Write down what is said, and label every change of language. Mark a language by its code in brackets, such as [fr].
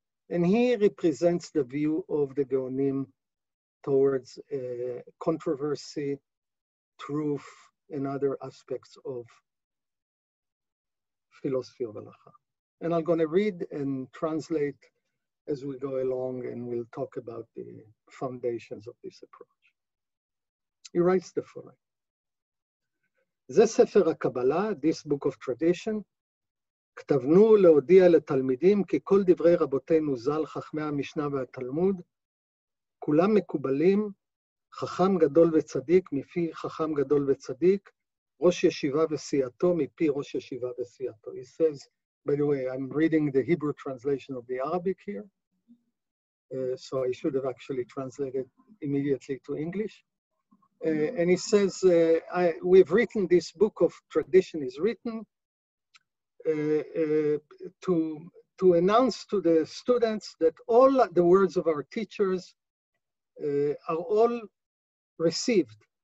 [en] And he represents the view of the Gaonim towards controversy, truth, and other aspects of philosophy of halacha. And I'm gonna read and translate as we go along, and we'll talk about the foundations of this approach. He writes the following. [he] Ze Sefer HaKabbalah, [en] this book of tradition, [he] כתבנו להודיע לתלמידים כי כל דברי רבותינו זל, חכמי המשנה והתלמוד, כולם מקובלים, חכם גדול וצדיק מפי חכם גדול וצדיק, ראש ישיבה וסיעתו מפי ראש ישיבה וסיעתו. [en] He says, by the way, I'm reading the Hebrew translation of the Arabic here, so I should have actually translated immediately to English. And he says, we've written this book of tradition is written to announce to the students that all the words of our teachers are all received.